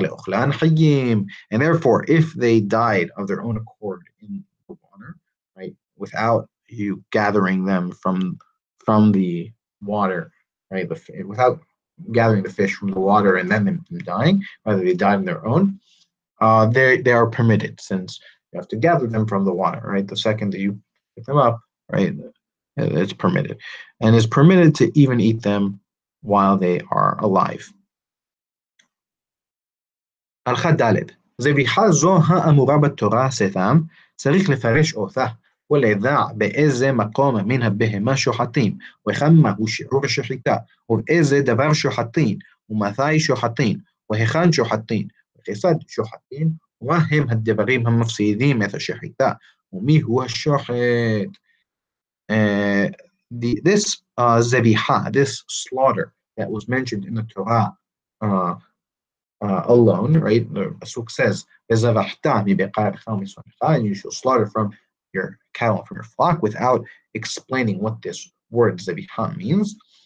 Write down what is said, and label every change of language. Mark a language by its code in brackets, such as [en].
[en] And therefore, if they died of their own accord in the water, right, without you gathering them from the water, right, without gathering the fish from the water and then them dying, whether they died on their own, they are permitted since you have to gather them from the water, right? The second that you pick them up, right, it's permitted. And it's permitted to even eat them while they are alive. [he] הלכה ד' זביחה זו האמורה בתורה סתם צריך לפרש אותה ולדע באיזה מקום מן הבהמה שוחטים וכמה הוא שיעור השחיטה ואיזה דבר שוחטים ומתי שוחטים והיכן שוחטים וכיצד שוחטים ומה הם הדברים המפסידים את השחיטה ומי הוא השוחט. [en] This זביחה, this slaughter that was mentioned in the Torah alone, right? The Pasuk says, and you shall slaughter from your cattle, from your flock, without explaining what this word Zeviha means.